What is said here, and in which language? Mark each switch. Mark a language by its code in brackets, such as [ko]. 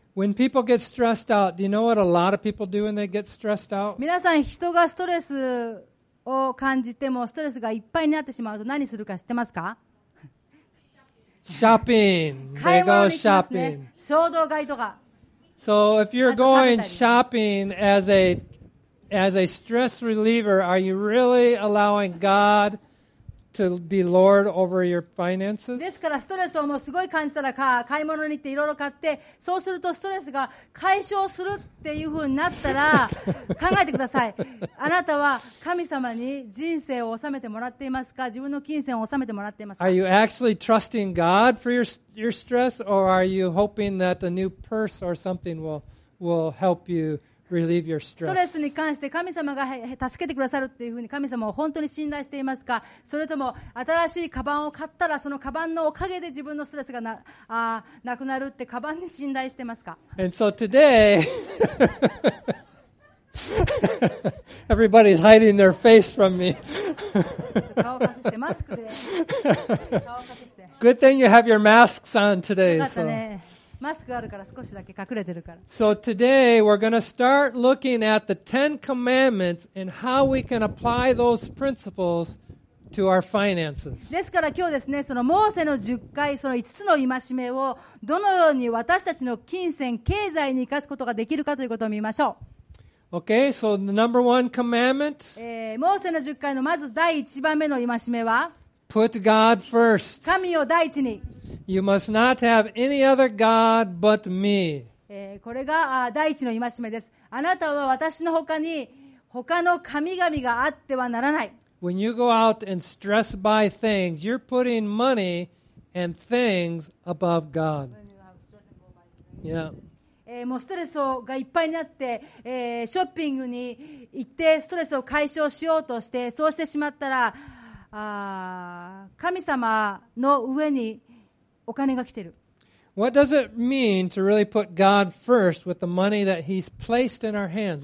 [en] When people get stressed out, do you know what a lot of people do when they get stressed out? [ja] 皆さん、人がストレスを感じてもストレスがいっぱいになってしまうと何するか知ってますか？ [en] Shopping. They go shopping. [ja] 衝動買いとか。 [en] So if you're going shopping as a stress reliever, are you really allowing God to be Lord over your finances? [ja] ですからストレスをもうすごい感じたら買い物に行っていろいろ買って、そうするとストレスが解消するっていうふうになったら考えてください。あなたは神様に人生を納めてもらっていますか？自分の金銭を納めてもらっていますか？ [en] Are you actually trusting God for your stress, or are you hoping that a new purse or something will help you? Relieve your stress. [ja] ストレスに関して神様が助けてくださるっていうふうに神様を本当に信頼していますか、それとも新しいカバンを買ったらそのカバンのおかげで自分のストレスが なくなるってカバンに信頼していますか。 [en] And so today everybody's hiding their face from me. [ja] 顔隠してマスクで顔隠して [en] Good thing you have your masks on today. [ja] よかったね。マスクあるから少しだけ隠れてるから。 [en] So today we're going to start looking at the Ten Commandments and how we can apply those principles to our finances. [ja] ですから今日ですね、そのモーセの十戒、その五つの戒めをどのように私たちの金銭、経済に生かすことができるかということを見ましょう。 [en] Okay, so the number one commandment. [ja] モーセの十戒のまず第一番目の戒めは、 [en] Put God first. [ja] 神を第一に。 [en] You must not have any other God but me. [ja] これが第一の戒めです。あなたは私の他に他の神々があってはならない。 [en] When you go out and stress by things, you're putting money and things above God. Yeah. [ja] もうストレスがいっぱいになって、ショッピングに行ってストレスを解消しようとして、そうしてしまったら、神様の上にお金が来てる。 [en] What does it mean to really put God first with the money that He's placed in our hands?